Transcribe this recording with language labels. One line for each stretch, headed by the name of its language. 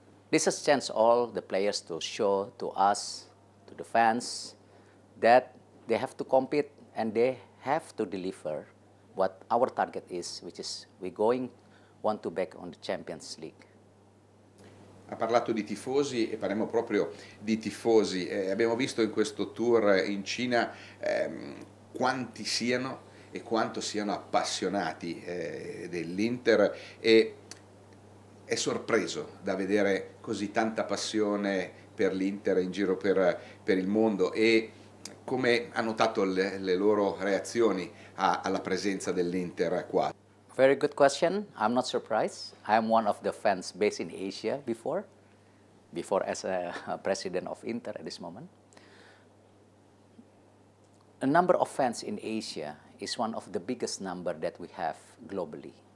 English: This is a chance all the players to show to us, to the fans, that they have to compete and they have to deliver what our target is, which is we want to back on the Champions League.
Italian: Ha parlato di tifosi e parliamo proprio di tifosi. Abbiamo visto in questo tour in Cina quanti siano e quanto siano appassionati dell'Inter, e è sorpreso da vedere così tanta passione per l'Inter in giro per il mondo. E come ha notato le loro reazioni alla presenza dell'Inter qua?
English: Very good question. I'm not surprised. I'm one of the fans based in Asia before as a president of Inter at this moment. A number of fans in Asia is one of the biggest number that we have globally.